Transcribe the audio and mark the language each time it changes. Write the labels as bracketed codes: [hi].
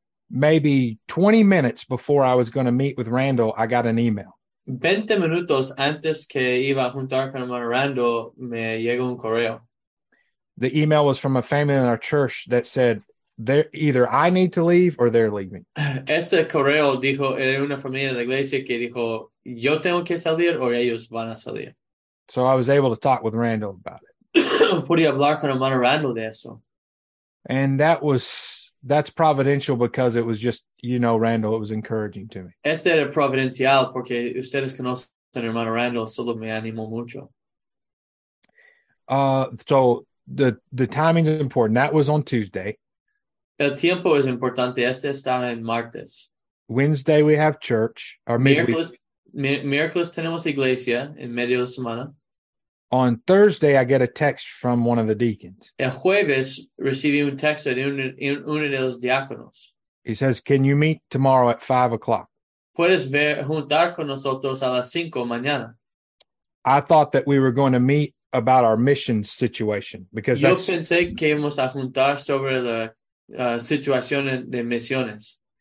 [en] Maybe 20 minutes before I was going to meet with Randall, I got an email. [es] 20 minutos antes que iba a juntar con hermano Randall, me llegó un correo. [en] The email was from a family in our church that said, they're either I need to leave or they're leaving. [es] Este correo dijo, era una familia de la iglesia que dijo, yo tengo que salir o ellos van a salir. [en] So I was able to talk with Randall about it. [es] Podía hablar con hermano Randall de eso. [en] And that's providential because it was just, you know, Randall, it was encouraging to me. [es] Este era providencial porque ustedes conocen a hermano Randall, solo me animó mucho. [en] So the timing is important. That was on Tuesday. [es] El tiempo es importante. Este está en martes. [en] Wednesday we have church. [es] Miércoles tenemos iglesia en medio de semana. [en] On Thursday I get a text from one of the deacons. [es] El jueves recibí un texto de uno de los diáconos. [en] He says, can you meet tomorrow at 5 o'clock? [es] Puedes juntar con nosotros a las 5 mañana. [en] I thought that we were going to meet about our mission situation. Because [es] yo pensé que íbamos a juntar sobre la situación de misiones.